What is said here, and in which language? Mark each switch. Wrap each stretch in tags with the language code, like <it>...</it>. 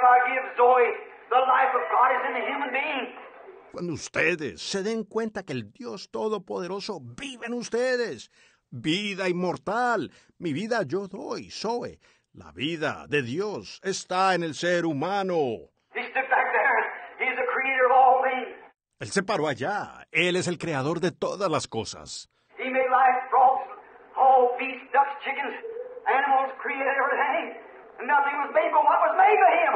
<en>gives Zoe. The life of God is in the human being.</en> <es>Cuando ustedes se den cuenta que el Dios Todopoderoso vive en ustedes, vida inmortal, mi vida yo doy, Zoe, la vida de Dios está en el ser humano.</es> <en>He stood back there. He's the creator of all things.</en> <es>Él se paró allá. Él es el creador de todas las cosas.</es> <en>He made life, frogs, all beasts, ducks, chickens, animals, created everything. And nothing was made but what was made by him.</en>